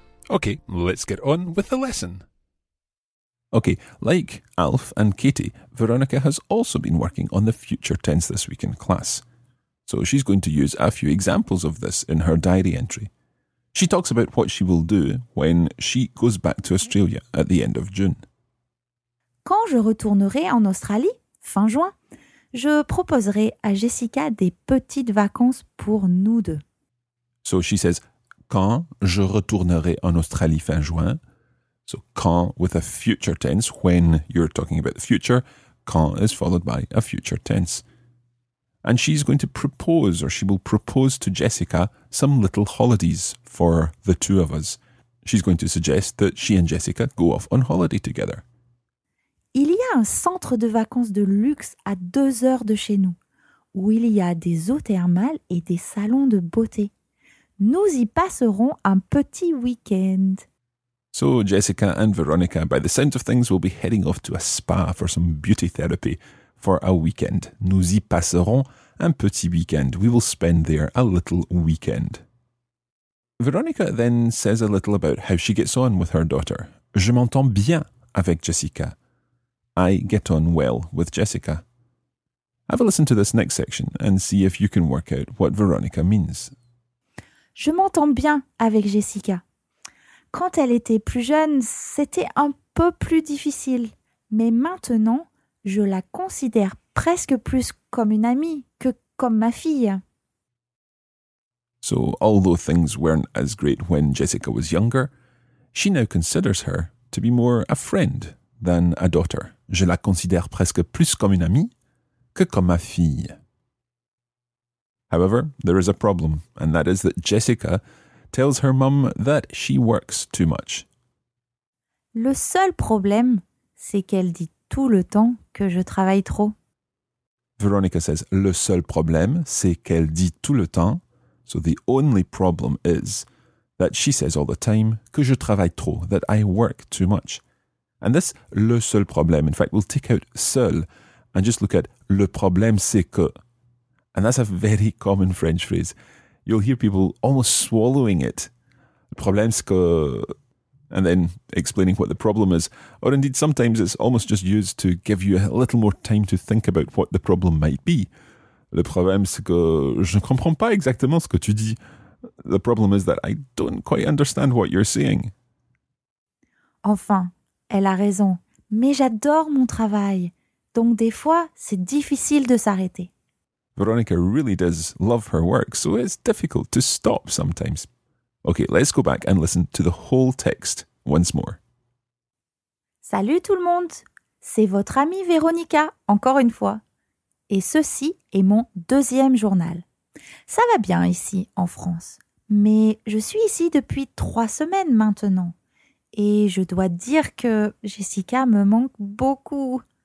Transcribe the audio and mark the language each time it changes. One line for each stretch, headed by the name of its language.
English: Okay, let's get on with the lesson. Okay, like Alf and Katie, Veronica has also been working on the future tense this week in class. So she's going to use a few examples of this in her diary entry. She talks about what she will do when she goes back to Australia at the end of June.
French: Quand je retournerai en Australie, fin juin, je proposerai à Jessica des petites vacances pour nous deux.
English: So she says,
French: quand je retournerai en Australie fin juin.
English: So, quand with a future tense, when you're talking about the future, quand is followed by a future tense. And she's going to propose, or she will propose to Jessica, some little holidays for the two of us. She's going to suggest that she and Jessica go off on holiday together.
French: Il y a un centre de vacances de luxe à 2 heures de chez nous, où il y a des eaux thermales et des salons de beauté. Nous y passerons un petit week-end.
English: So Jessica and Veronica, by the sound of things, will be heading off to a spa for some beauty therapy for a weekend.
French: Nous y passerons un petit week-end.
English: We will spend there a little weekend. Veronica then says a little about how she gets on with her daughter.
French: Je m'entends bien avec Jessica.
English: I get on well with Jessica. Have a listen to this next section and see if you can work out what Veronica means.
French: Je m'entends bien avec Jessica. Quand elle était plus jeune, c'était un peu plus difficile. Mais maintenant, je la considère presque plus comme une amie que comme ma fille.
English: So, although things weren't as great when Jessica was younger, she now considers her to be more a friend than a daughter.
French: Je la considère presque plus comme une amie que comme ma fille.
English: However, there is a problem, and that is that Jessica tells her mum that she works too much.
French: Le seul problème, c'est qu'elle dit tout le temps que je travaille trop. Veronica says, le seul problème, c'est qu'elle dit tout le temps.
English: So the only problem is that she says all the time
French: que je travaille trop,
English: that I work too much. And this,
French: le seul problème,
English: in fact, we'll take out seul and just look at
French: le problème, c'est que.
English: And that's a very common French phrase. You'll hear people almost swallowing it.
French: Le problème c'est que...
English: And then explaining what the problem is. Or indeed, sometimes it's almost just used to give you a little more time to think about what the problem might be.
French: Le problème c'est que je ne comprends pas exactement ce que tu dis.
English: The problem is that I don't quite understand what you're saying.
French: Enfin, elle a raison. Mais j'adore mon travail. Donc des fois, c'est difficile de s'arrêter.
English: Veronica really does love her work, so it's difficult to stop sometimes. Okay, let's go back and listen to the whole text once more.
French: Salut tout le monde! C'est votre amie Véronica, encore une fois. Et ceci est mon deuxième journal. Ça va bien ici, en France. Mais je suis ici depuis 3 semaines maintenant. Et je dois dire que Jessica me manque beaucoup.